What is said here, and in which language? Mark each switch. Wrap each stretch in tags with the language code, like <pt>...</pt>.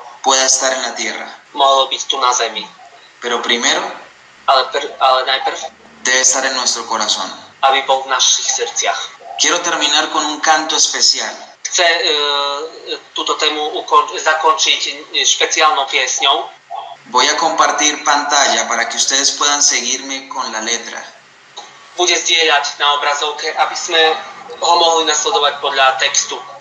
<es>pueda estar en la tierra.</es> <sk>Mohlo byť tu na zemi.</sk> <es>Pero primero,</es> <sk>ale najprv,</sk> <es>debe estar en nuestro corazón.</es> <sk>Aby bol v našich srdciach.</sk> <es>Quiero terminar con un canto especial.</es> <sk>Chce túto tému zakončiť špeciálnou piesňou.</sk> <es>Voy a compartir pantalla para que ustedes puedan seguirme con la letra.</es> <sk>Bude zdieľať na obrazovke, aby sme ho mohli nasledovať podľa textu.</sk>